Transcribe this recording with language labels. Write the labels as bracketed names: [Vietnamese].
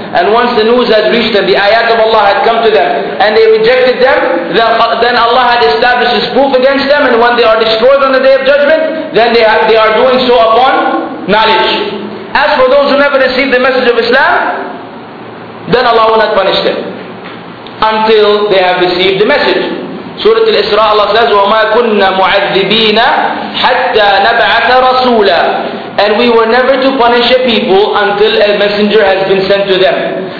[English] And once the news has reached them, the ayat of Allah had come to them, and they rejected them, then Allah had established his proof against them, and when they are destroyed on the Day of Judgment, then they are doing so upon knowledge. As for those who never received the message of Islam, then Allah will not punish them until they have received the message. Surah Al-Isra, Allah says, [Arabic] وَمَا كُنَّ مُعَذِّبِينَ حَتَّى نَبْعَثَ رَسُولًا. [English] And we were never to punish a people until a messenger has been sent to them.